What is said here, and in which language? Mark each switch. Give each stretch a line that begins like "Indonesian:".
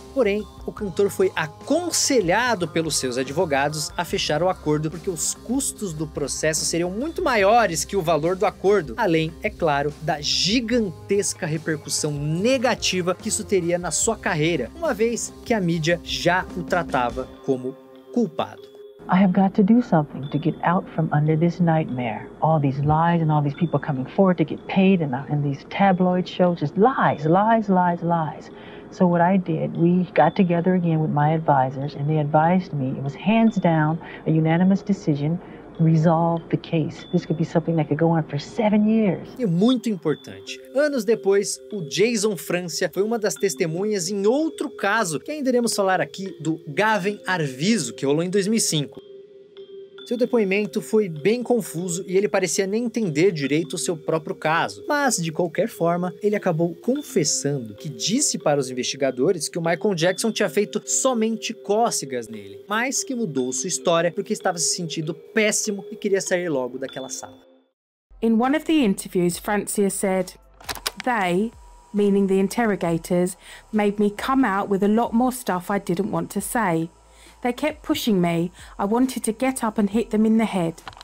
Portuguese: Porém, o cantor foi aconselhado pelos seus advogados a fechar o acordo porque os custos do processo seriam muito maiores que o valor do acordo, além, é claro, da gigantesca repercussão negativa que isso teria na sua carreira, uma vez que a mídia já o tratava como culpado.
English: I have got to do something to get out from under this nightmare. All these lies and all these people coming forward to get paid and these tabloid shows, just lies, lies, lies, lies. So what I did, we got together again with my advisors and they advised me, it was hands down, a unanimous decision, resolve the case. This could be something that could go on for 7 years.
Portuguese: E muito importante, anos depois, o Jason França foi uma das testemunhas em outro caso que ainda iremos falar aqui, do Gavin Arvizo, que rolou em 2005. Seu depoimento foi bem confuso e ele parecia nem entender direito o seu próprio caso. Mas, de qualquer forma, ele acabou confessando que disse para os investigadores que o Michael Jackson tinha feito somente cócegas nele, mas que mudou sua história porque estava se sentindo péssimo e queria sair logo daquela sala.
English: In one of the interviews, Francia said, "They, meaning the interrogators, made me come out with a lot more stuff I didn't want to say. They kept pushing me. I wanted to get up and hit them in the head."